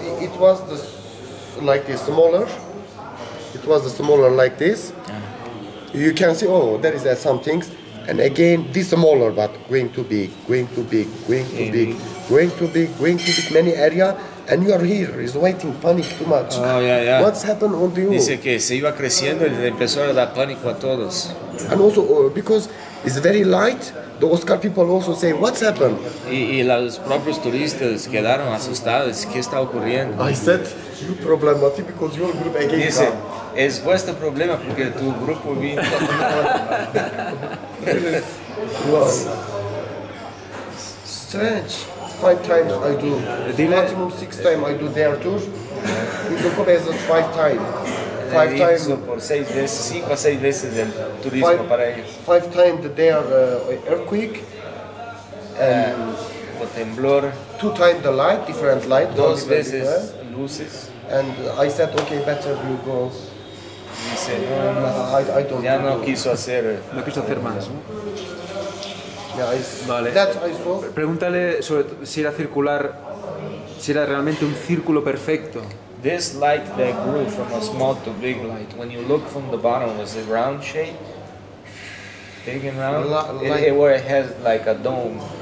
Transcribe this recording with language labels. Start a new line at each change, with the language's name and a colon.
English: It was the, like this, smaller. It was the smaller like this. Yeah. You can see, oh, there is some things. And again, this smaller, but going too big, many area. And you are here, is waiting, panic too much. Oh, yeah. What's happened on you?
Spanish: Dice que se iba creciendo y empezó a dar pánico a todos.
English: And also, because it's very light, the Oscar people also say, what's happened?
Spanish: Y los propios turistas quedaron asustados, ¿qué está ocurriendo?
English: I said, you problematic because your group again
Spanish: dice,
English: come.
Spanish: Dice, es vuestro problema porque tu grupo vino.
English: Strange. 5 times I do. Maximum 6 times I do their tour. In Doku Beyazit 5 times. 5 times.
Spanish: Por 6 veces, 5 a 6 veces del turismo para ellos.
English: 5 times they are earthquake.
Spanish: O temblor.
English: 2 times the light, different light.
Spanish: 2 veces luces.
English: And I said, okay, better you go.
Spanish: Dice,
English: I don't.
Spanish: Ya no quiso hacer. No quiso hacer más. Vale. Pregúntale sobre si era circular, si era realmente un círculo perfecto.
English: This light that grew from a small to big light, when you look from the bottom, was a round shape, big and round, where it has like a dome.